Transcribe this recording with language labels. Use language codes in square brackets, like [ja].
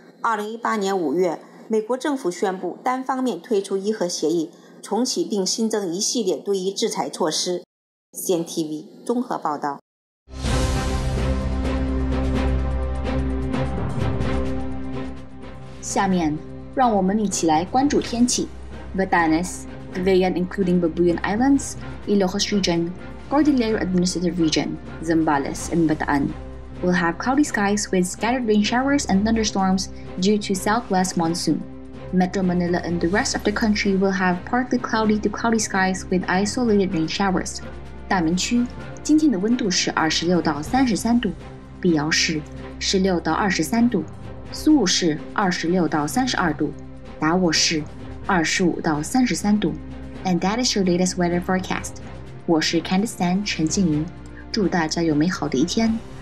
[zh] 2018年5月，美国政府宣布单方面退出伊核协议，重启并新增一系列对伊制裁措施。 Cntv 综合报道。下面让我们一起来关注天气。 [en] Batanes, Cagayan including Babuyan Islands, Ilocos Region, Cordillera Administrative Region, Zambales, and Bataan will have cloudy skies with scattered rain showers and thunderstorms due to southwest monsoon. Metro Manila and the rest of the country will have partly cloudy to cloudy skies with isolated rain showers. [zh] 大明区今天的温度是26到33度，碧瑶市16到23度，苏武市26到32度，达沃市25到33度。 [en] And that is your latest weather forecast. [zh] 我是 Candice Tan 陈静云，祝大家有美好的一天。